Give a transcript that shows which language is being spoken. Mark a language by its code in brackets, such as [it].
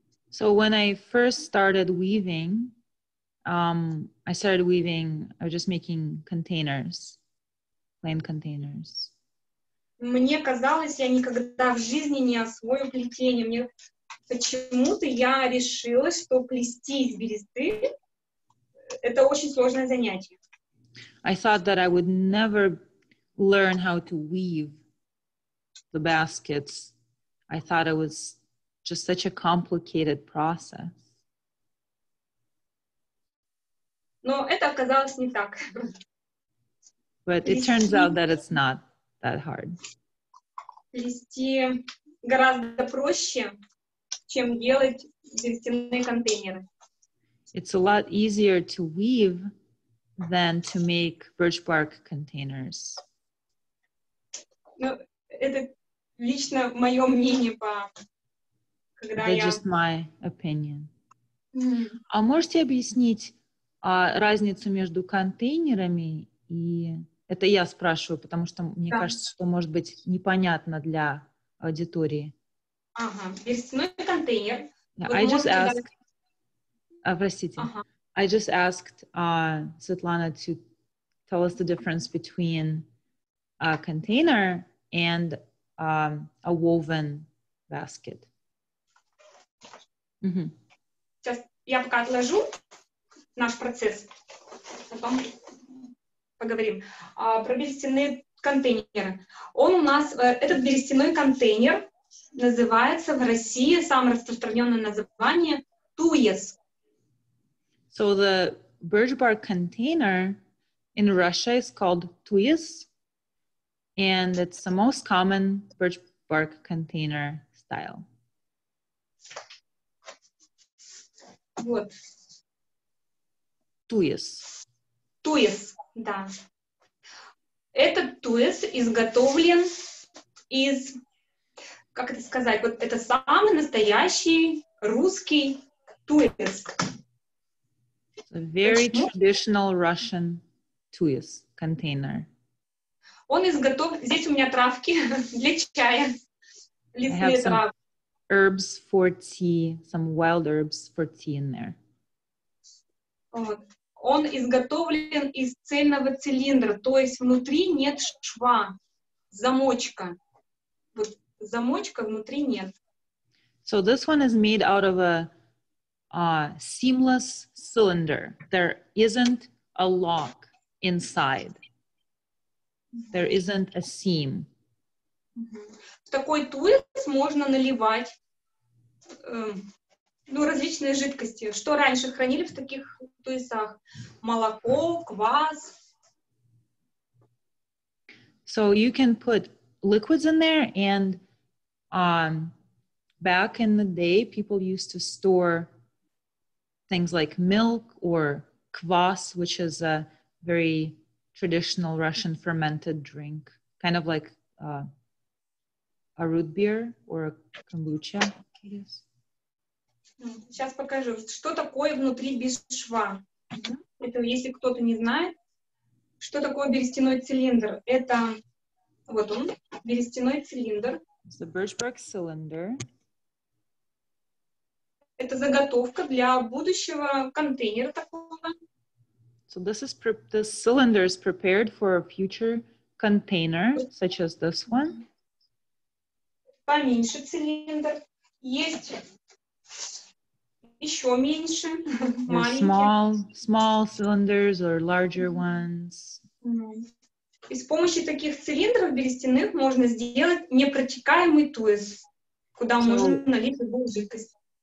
[en] So when I first started weaving, I started weaving, I was just making containers, plain containers. [ru] Мне казалось, я никогда в жизни не освою плетение. Мне почему-то я решила, что плести из бересты — это очень сложное занятие. [en] I thought that I would never learn how to weave the baskets. I thought it was just such a complicated process. [ru] Но это оказалось не так. [en] But it turns out that it's not that hard. [ru] Плести гораздо проще, чем делать берестяные контейнеры. [en] It's a lot easier to weave than to make birch bark containers. [ru] Ну, это лично мое мнение по... [en] That's just my opinion. Mm. [ru] А можете объяснить, разницу между контейнерами и... Это я спрашиваю, потому что мне кажется, что может быть непонятно для аудитории. Берестяной контейнер. [en] Yeah, I just asked Светлана to tell us the difference between a container and a woven basket. Mm-hmm. [ru] Сейчас я пока отложу наш процесс. Потом поговорим. Про берестяные контейнеры. Он у нас, этот берестяной контейнер называется в России, самое распространенное название, туес. [en] So the birch bark container in Russia is called туес, and it's the most common birch bark container style. [ru] Вот. Туес. Туес, да. Этот туэс изготовлен из, как это сказать, вот это самый настоящий русский туэс. [en] A very traditional Russian туэс container. [ru] Он изготовлен, здесь у меня травки для чая, лесные травки. [en] I have some herbs for tea, some wild herbs for tea in there. [ru] Он изготовлен из цельного цилиндра, то есть внутри нет шва, замочка. Вот замочка внутри нет. [en] So this one is made out of a seamless cylinder. There isn't a lock inside. There isn't a seam. [ru] В такой туэс можно наливать ну, различные жидкости. Что раньше хранили в таких туэсах? Молоко, квас. [en] So you can put liquids in there, and back in the day, people used to store things like milk or kvass, which is a very traditional Russian fermented drink, kind of like a root beer or a kombucha, I guess. [ru] Сейчас покажу, что такое внутри без шва. Это если кто-то не знает, что такое берестяной цилиндр. Это вот он, берестяной цилиндр. [en] It's the Birchbark cylinder. [ru] Это заготовка для будущего контейнера такого. [en] So this is this cylinder is prepared for a future container, such as this one. [ru] Поменьше цилиндр. Есть еще меньше, маленькие. [en] Small cylinders or larger ones. [ru] И с помощью таких цилиндров берестяных можно сделать непротекаемый туэс, куда можно налить любую жидкость.